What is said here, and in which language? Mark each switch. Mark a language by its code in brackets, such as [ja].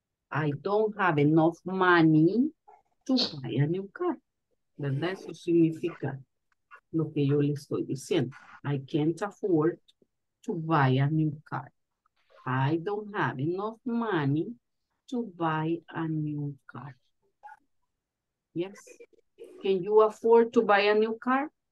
[en] I don't have enough money to buy a new car. [es] ¿Verdad? Eso significa lo que yo le estoy diciendo. [en] I can't afford to buy a new car. I don't have enough money to buy a new car. Yes. Can you afford to buy a new car?